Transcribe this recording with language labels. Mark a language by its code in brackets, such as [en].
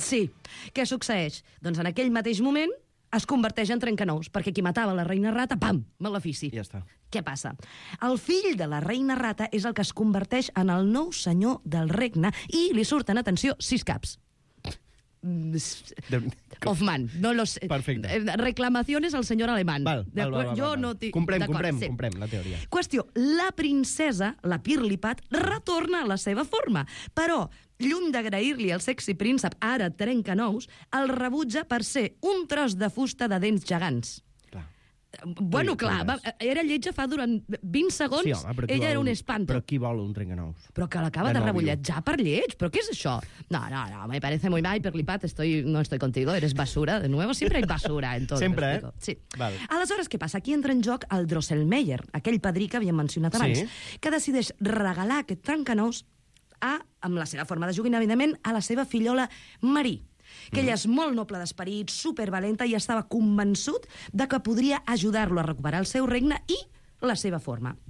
[ca] Sí. Què succeeix? Doncs en aquell mateix moment es converteix en trencanous, perquè qui matava la reina rata, pam, malefici. Ja està. Què passa? El fill de la reina rata és el que es converteix en el nou senyor del regne i li surten, atenció, 6 caps. [es] Of man, no los reclamaciones al señor alemán. [ca] Comprem la teoria. Qüestió, la princesa, la Pirlipat, retorna a la seva forma, però lluny d'agrair-li al sexy príncep ara trenca nous, el rebutja per ser un tros de fusta de dents gegants. Bueno, clar, era lletja fa durant 20 segons, sí, home, ella vol, era un espanto. Però qui vol un trencanous? Però que l'acaba de rebolletjar per lleig, però què és això? [es] No, me parece muy mal, Pirlipat, no estoy contigo, eres basura, de nuevo, siempre hay basura en todo. [ca] Sempre, eh? Sí. Vale. Aleshores, què passa? Aquí entra en joc el Drosselmeier, aquell padrí que havíem mencionat abans, que decideix regalar aquest trencanous a, amb la seva forma de joguina, evidentment, a la seva fillola Marie, que ella és molt noble d'esperit, supervalenta, i estava convençut de que podria ajudar-lo a recuperar el seu regne i la seva forma.